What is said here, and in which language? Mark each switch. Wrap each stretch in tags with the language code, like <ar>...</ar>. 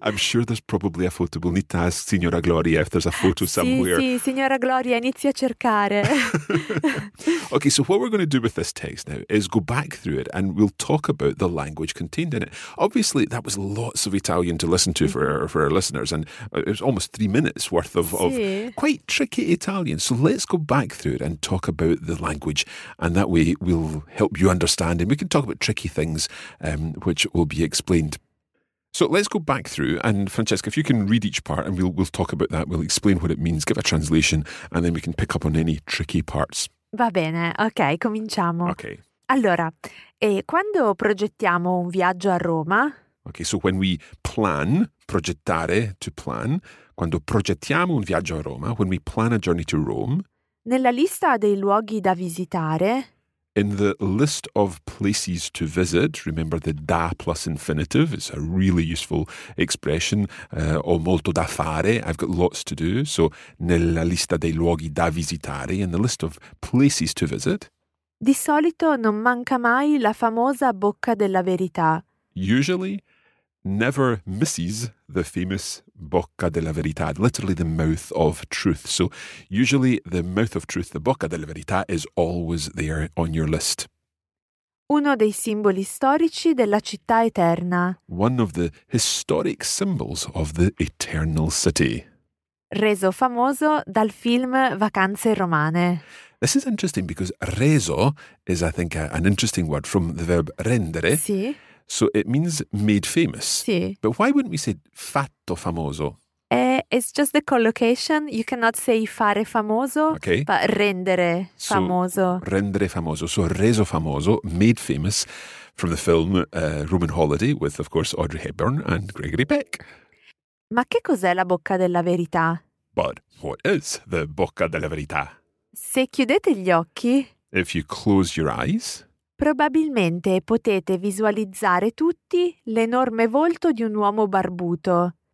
<en>I'm sure there's probably a photo. We'll need to ask Signora Gloria if there's a photo somewhere.</en> <it>Sì, Signora Gloria, inizia a cercare.</it> <en>Okay, so what we're going to do with this text now is go back through it and we'll talk about the language contained in it. Obviously, that was lots of Italian to listen to for our listeners, and it was almost 3 minutes worth of quite tricky Italian. So let's go back through it and talk about the language, and that way we'll help you understand, and we can talk about tricky things which will be explained. So let's go back through, and Francesca, if you can read each part, and we'll talk about that, we'll explain what it means, give a translation, and then we can pick up on any tricky parts.</en> <it>Va bene, ok, cominciamo. Ok. Allora, e quando progettiamo un viaggio a Roma?</it> <en>Ok, so when we plan, progettare, to plan,</en> <it>quando progettiamo un viaggio a Roma,</it> <en>when we plan a journey to Rome...</en> <it>Nella lista dei luoghi da visitare...</it> <en>In the list of places to visit, remember the da plus infinitive, it's a really useful expression,</en> <it>ho molto da fare,</it> <en>I've got lots to do. So,</en> <it>nella lista dei luoghi da visitare,</it> <en>in the list of places to visit.</en> <it>Di solito non manca mai la famosa bocca della verità.</it> <en>Usually, never misses the famous bocca della verità, literally the mouth of truth. So usually the mouth of truth, the bocca della verità, is always there on your list.</en> <it>Uno dei simboli storici della città eterna.</it> <en>One of the historic symbols of the eternal city.</en> <it>Reso famoso dal film Vacanze Romane.</it> <en>This is interesting because reso is, I think, an interesting word from the verb rendere.</en> <it>Sì.</it> <en>So it means made famous.</en> <it>Sì.</it> <en>But why wouldn't we say fatto famoso? It's just the collocation. You cannot say fare famoso, okay. But rendere famoso. So, rendere famoso. So reso famoso, made famous from the film Roman Holiday with, of course, Audrey Hepburn and Gregory Peck.</en> <it>Ma che cos'è la bocca della verità?</it> <en>But what is the bocca della verità?</en> <it>Se chiudete gli occhi...</it> <en>If you close your eyes...</en> <it>Probabilmente potete visualizzare tutti l'enorme volto di un uomo barbuto.</it>